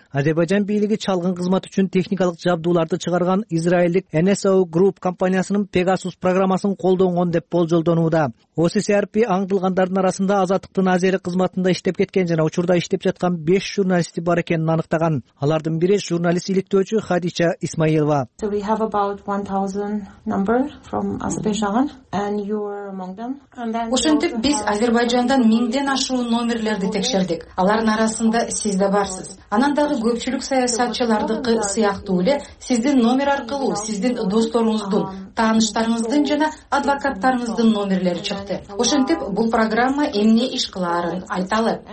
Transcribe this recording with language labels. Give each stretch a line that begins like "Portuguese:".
Kyrgyz: Азербайжан бийлиги чалгын кызмат үчүн техникалык жабдууларды чыгарган израилдик NSO Group компаниясынын Pegasus программасын колдонгон деп болжолдонууда. OSCRP аңдылгандардын арасында Азаттыктын азери кызматында иштеп кеткен жана учурда иштеп жаткан 5 журналисти бар экенин аныктаган. Алардын бири журналист иликтөөчү Хадича Исмаилова.
English: So we have about 1000 number from Azerbaijan and you are among them.
Kyrgyz: Ошентип биз Азербайжандан 1000ден ашуун номерлерди текшердик. Алардын арасында сиз да барсыз. Анан дагы көпчүлүк саясатчылардыкы сыяктуу эле сиздин номер аркылуу сиздин досторуңуздун, тааныштарыңыздын жана адвокаттарыңыздын номерлери чыкты. Ошентип бул программа эмне иш кыларын айталы.